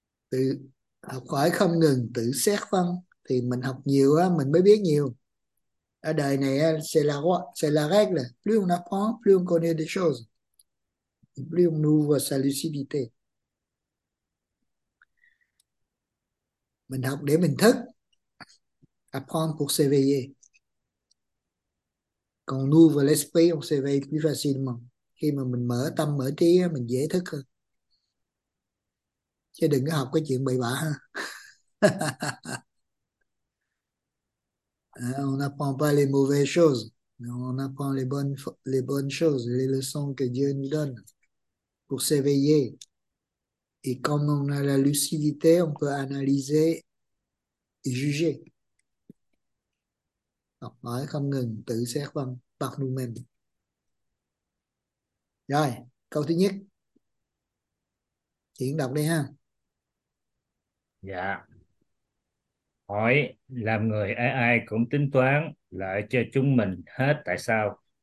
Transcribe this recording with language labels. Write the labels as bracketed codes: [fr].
[vi] Tự học hỏi không ngừng, tự xét phân. Thì mình học nhiều á, mình mới biết nhiều. Ở đời này, [fr] c'est la règle. Plus on apprend, plus on connaît des choses. Plus on ouvre sa lucidité. [vi] Mình học để mình thức. [fr] Apprendre pour s'éveiller. Quand on ouvre l'esprit, on s'éveille plus facilement. [vi] Khi mà mình mở tâm, mở trí, mình dễ thức hơn. Chứ đừng có học cái chuyện bậy bạ ha. [fr] On apprend pas les mauvaises choses. On apprend les bonnes choses, les leçons que Dieu nous donne pour s'éveiller. Et comme on a la lucidité, on peut analyser et juger. [vi] Học hỏi không ngừng, tự xét phân bằng nous-mêmes. Rồi, câu thứ nhất. Chuyển đọc đi ha. Dạ. Hỏi làm người ai ai cũng tính toán lợi cho chúng mình hết tại sao?